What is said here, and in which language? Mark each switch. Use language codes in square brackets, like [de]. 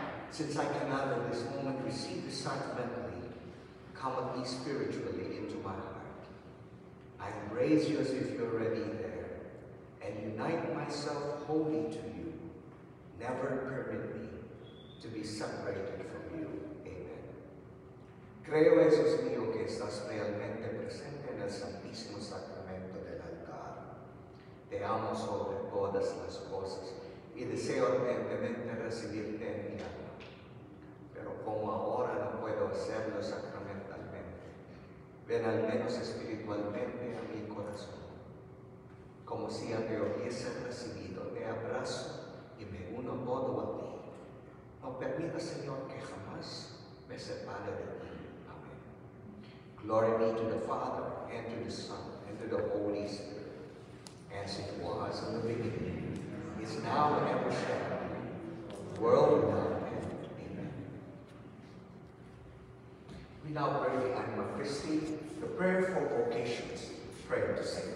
[en] Since I cannot at this moment receive you sacramentally, come with me spiritually into my heart. I embrace you as if you are already there, and unite myself wholly to you. Never permit me to be separated from you. Amen. [es] Creo, Jesús mío, que estás realmente presente en el Santísimo Sacramento del altar. Te amo sobre todas las cosas y deseo ardientemente recibirte en mi alma. Pero como ahora no puedo hacerlo sacramentalmente, ven al menos espiritualmente a mi corazón. Como si ya me hubiese recibido, te abrazo. Y me uno todo a ti. No permita, Señor, que jamás me separe de ti. Amén. [en] Glory be to the Father, and to the Son, and to the Holy Spirit, as it was in the beginning, is now and ever shall be, world without end. Amen. We now pray the Anima Christi, the prayer for vocations, prayer to St.